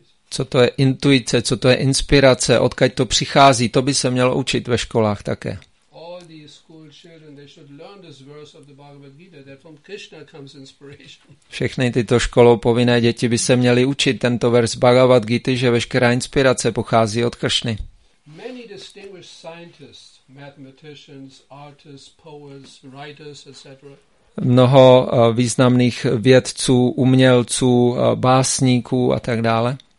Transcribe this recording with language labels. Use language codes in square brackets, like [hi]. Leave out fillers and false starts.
[cs] Co to je intuice, co to je inspirace, odkud to přichází, to by se mělo učit ve školách také. [en] all the school children, they should learn this verse of the Bhagavad Gita, that from Krishna comes inspiration. [cs] Všechny tyto školou povinné děti by se měly učit tento vers Bhagavad Gita, že veškerá inspirace pochází od Kršny. [en] Many distinguished scientists, mathematicians, artists, poets, writers, etc. [cs] Mnoho významných vědců, umělců, básníků a tak dále.